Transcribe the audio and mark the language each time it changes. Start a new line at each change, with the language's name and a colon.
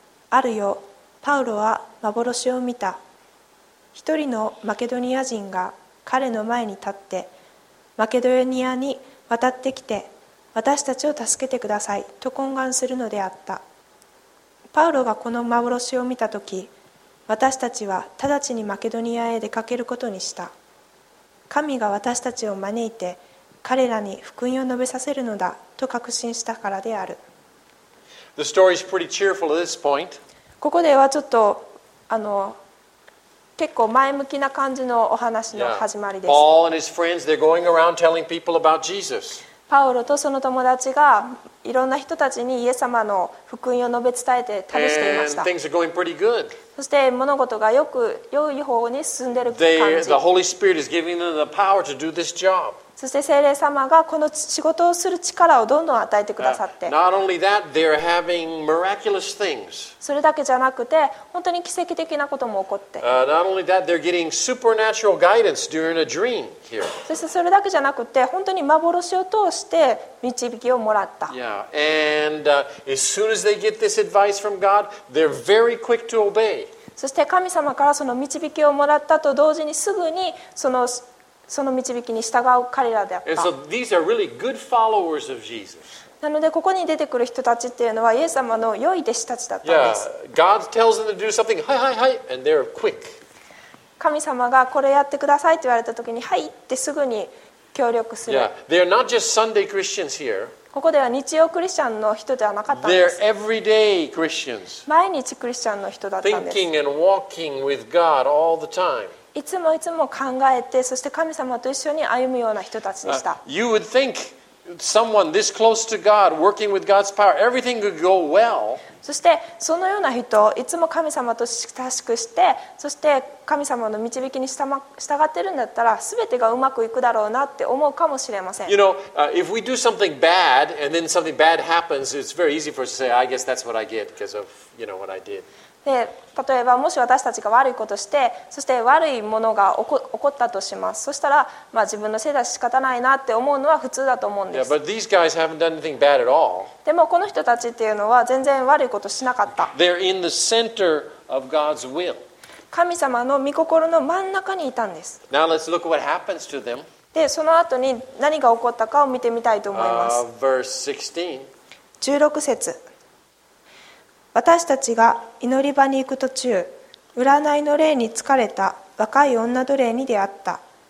Japanese: あるよ、パウロは幻を見た。一人のマケドニア人が彼の前に立って、マケドニアに渡ってきて、私たちを助けてくださいと懇願するのであった。パウロがこの幻を見たとき、私たちは直ちにマケドニアへ出かけることにした。神が私たちを招いて彼らに福音を述べさせるのだと確信したからである。
English: The story is pretty cheerful at this point.
Japanese: ここではちょっと結構前向きな感じのお話の始まりです。
English: Paul and his friends, they're going around telling people about Jesus.
Japanese: パウロとその友達がいろんな人たちにイエス様の福音を述べ伝えて旅していました。そして物事がよく良い方に進んでいる感じ。
English: The Holy Spirit is giving them the power to do this job.
Japanese: そして聖霊様がこの仕事をする力をどんどん与えてくださって、
English: not only that, they're having miraculous things.
Japanese: それだけじゃなくて本当に奇跡的なことも起こって、
English: not only that, they're getting supernatural guidance during a dream.
Japanese: そしてそれだけじゃなくて本当に幻を通して導きをもらった。
English: Yeah. And, as soon as they get this advice from God, they're very quick to obey.
Japanese: そして神様からその導きをもらったと同時にすぐにその導きに従う彼らであった。
English: And so these are really good followers of Jesus.
Japanese: なのでここに出てくる人たちっていうのはイエス様の良い弟子たちだったんです。
English: Yeah. God tells them to do something.
Japanese: はいはいはい。
English: And they're quick.
Japanese: 神様がこれやってくださいって言われたときに、はいってすぐに協力する。
English: Yeah, they are not just Sunday Christians here.
Japanese: ここでは日曜クリスチャンの人ではなかったんです。
English: They're everyday Christians.
Japanese: 毎日クリスチャンの人だったんです。
English: Thinking and walking with God all the time.
Japanese: いつもいつも考えて、そして神様と一緒に歩むような人たちでした。
English: You would think someone this close to God, working with God's power, everything could go well.
Japanese: そしてそのような人、いつも神様と親しくして、そして神様の導きに従っているんだったら、すべてがうまくいくだろうなって思うかもしれません。
English: You know, if we do something bad and then something bad happens, it's very easy for us to say, I guess that's what I get because of, you know, what I did.
Japanese: で例えばもし私たちが悪いことしてそして悪いものが起こったとします。そしたら、まあ、自分のせいだし仕方ないなって思うのは普通だと思うんです。
English: Yeah, but these guys haven't done anything bad at all.
Japanese: でもこの人たちっていうのは全然悪いことしなかった。
English: They're in the center of God's will.
Japanese: 神様の御心の真ん中にいたんです。
English: Now let's look what happens to them.
Japanese: でその後に何が起こったかを見てみたいと思います。
English: verse 16.
Japanese: 16節、私たちが祈り場に行く途中、占いの霊に疲れた若い女奴隷に出会った。